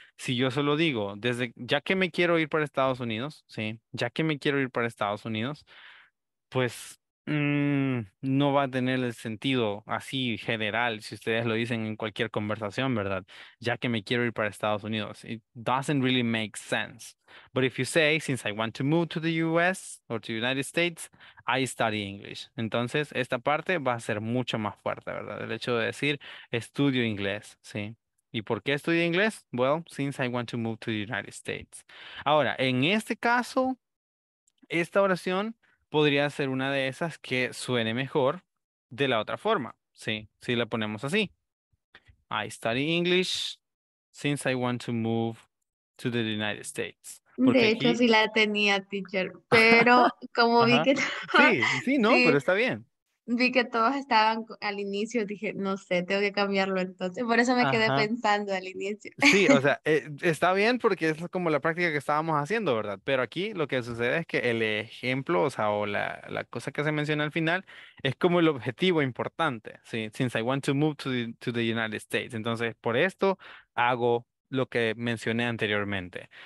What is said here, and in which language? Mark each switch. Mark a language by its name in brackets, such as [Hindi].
[Spanish] Si yo solo digo, desde ya que me quiero ir para Estados Unidos, ¿sí? Ya que me quiero ir para Estados Unidos, pues no va a tener el sentido así general si ustedes lo dicen en cualquier conversación, ¿verdad? Ya que me quiero ir para Estados Unidos. [English] It doesn't really make sense. But if you say, since I want to move to the US or to the United States, I study English. [Spanish] Entonces, esta parte va a ser mucho más fuerte, ¿verdad? El hecho de decir, estudio inglés, ¿sí? ¿Y por qué estudio inglés? [English] Well, since I want to move to the United States. [Spanish] Ahora, en este caso, esta oración podría ser una de esas que suene mejor de la otra forma, ¿sí? Si la ponemos así. [English] I study English since I want to move to the United States. [Spanish] Porque de hecho, aquí sí la tenía, teacher, pero como vi que... Sí, pero está bien. Vi que todos estaban al inicio, dije, no sé, tengo que cambiarlo entonces. Por eso me quedé pensando al inicio. Sí, o sea, está bien porque es como la práctica que estábamos haciendo, ¿verdad? Pero aquí lo que sucede es que el ejemplo, o sea, o la cosa que se menciona al final, es como el objetivo importante, ¿sí? [English] Since I want to move to the United States. [Spanish] Entonces, por esto hago lo que mencioné anteriormente.